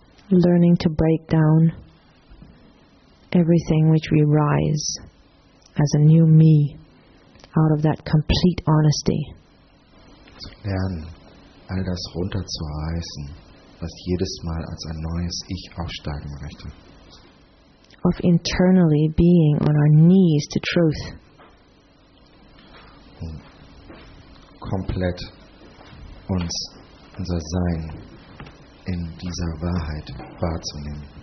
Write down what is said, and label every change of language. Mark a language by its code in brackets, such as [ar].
[en] Learning to break down everything which we rise as a new me out of that complete honesty. [de] Zu lernen, all das runterzureißen, was jedes Mal als ein neues Ich aufsteigen möchte. [en] Of internally being on our knees to truth. [de] Komplett uns, unser Sein in dieser Wahrheit wahrzunehmen.